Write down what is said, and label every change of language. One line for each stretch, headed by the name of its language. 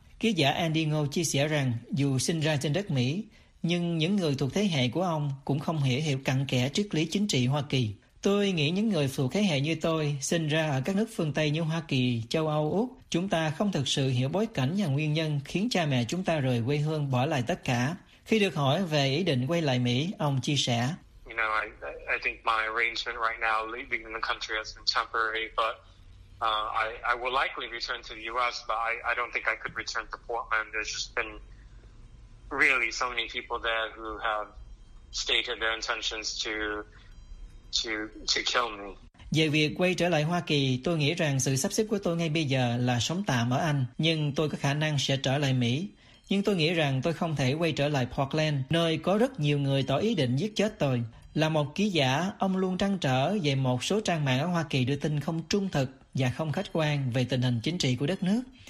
Vietnamese: Ký giả Andy Ngô chia sẻ rằng dù sinh ra trên đất Mỹ, nhưng những người thuộc thế hệ của ông cũng không hiểu hiểu cặn kẽ triết lý chính trị Hoa Kỳ. Tôi nghĩ những người thuộc thế hệ như tôi, sinh ra ở các nước phương Tây như Hoa Kỳ, châu Âu, Úc, chúng ta không thực sự hiểu bối cảnh và nguyên nhân khiến cha mẹ chúng ta rời quê hương bỏ lại tất cả. Khi được hỏi về ý định quay lại Mỹ, ông chia sẻ.
English: You know, I think my arrangement right now leaving the country has been temporary, but I will likely return to the U.S., but I don't think I could return to Portland. There's just been really so many people there who have stated their intentions to kill me.
Vietnamese: Về việc quay trở lại Hoa Kỳ, tôi nghĩ rằng sự sắp xếp của tôi ngay bây giờ là sống tạm ở Anh, nhưng tôi có khả năng sẽ trở lại Mỹ. Nhưng tôi nghĩ rằng tôi không thể quay trở lại Portland, nơi có rất nhiều người tỏ ý định giết chết tôi. Là một ký giả, ông luôn trăn trở về một số trang mạng ở Hoa Kỳ đưa tin không trung thực và không khách quan về tình hình chính trị của đất nước.